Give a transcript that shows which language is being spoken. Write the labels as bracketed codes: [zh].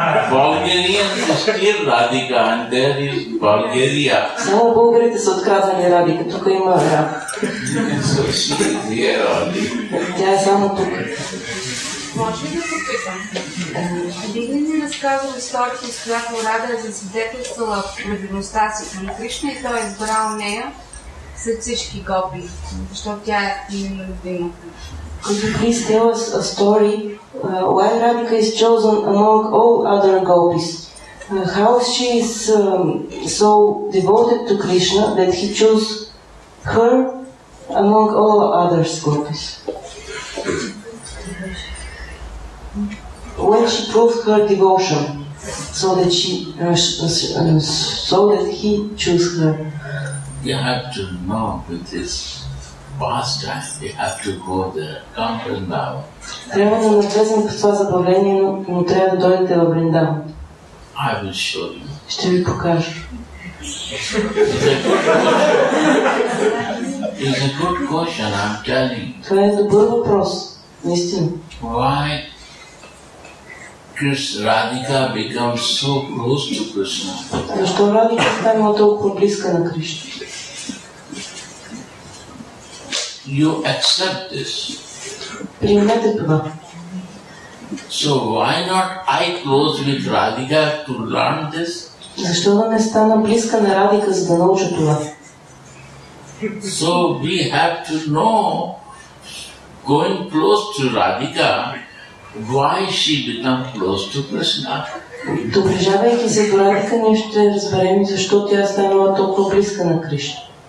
[en] Bulgarians steal Radhika and there is Bulgaria. [bg] Само българите са отказани Радика, тук има Радика. [en] So she is here only. [bg] Тя е само тук. Може ли да се питам? Един ли ни разказва историята, с която Рада е засвидетелствала праведността си към Кришна и той е избрал нея след всички гопи, защото тя е именно любимата. [en] Could you please tell us a story? Why Radhika is chosen among all other gopis? How she is so devoted to Krishna that he chose her among all other gopis? When she proved her devotion, so that he chose her. You have to know with this pastime, you have to go there, come to Vrindavan. [bg] Трябва да навлезем в това забавление, но трябва да дойдете в Вриндаван. [en] I will show you. [bg] Ще ви покажа. [en] It's a good question, I'm telling. [bg] Това е добър въпрос, наистина. [en] Why? Radhika becomes so close to Krishna. [bg] Защо Радика стана толкова близка на Кришна? [en] You accept this. [bg] Приемете това. [en] So why not I close with Radhika to learn this? [bg] Защо да не стана близка на Радика, за да науча това? [en] So we have to know, going close to Radhika, why she become close to Krishna? [bg] Доближавайки се до Радика, ние ще разберем защо тя станала толкова близка на Кришна.